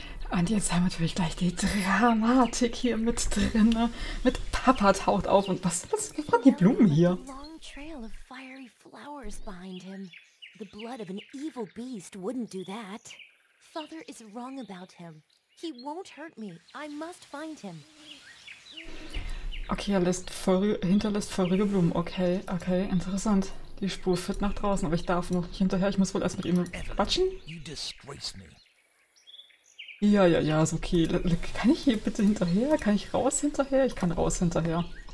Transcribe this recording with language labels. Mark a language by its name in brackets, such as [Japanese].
[German] Und jetzt haben wir natürlich gleich die Dramatik hier mit drin, ne? Mit Papa taucht auf und was waren die Blumen hier? [English] Long trail of fiery flowers behind him. The blood of an evil beast wouldn't do that. Father is wrong about him. He won't hurt me. I must find him. [German] Okay, hinterlässt feurige Blumen. Okay, interessant. Die Spur führt nach draußen, aber ich darf noch nicht hinterher. Ich muss wohl erst mit ihm quatschen. [English] You disgrace me. [German] Ja, ist okay. Kann ich hier bitte hinterher? Kann ich raus hinterher? Ich kann raus hinterher.